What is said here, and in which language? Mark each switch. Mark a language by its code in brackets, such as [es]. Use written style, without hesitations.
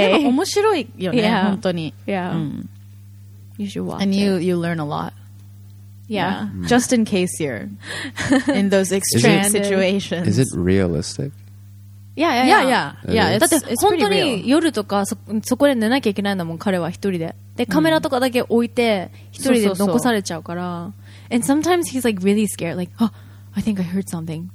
[ja] でも面白いよね、本当に。 [en] Yeah. You should watch it. And you learn a lot. Yeah. Just in case you're in those extreme situations. Is it realistic? [ja] いや、だって本当に夜とかそこで寝なきゃいけないんだもん、彼は一人で。で、カメラとかだけ置いて、一人で残されちゃうから。 [en] And sometimes he's like really scared, like, oh, I think I heard something.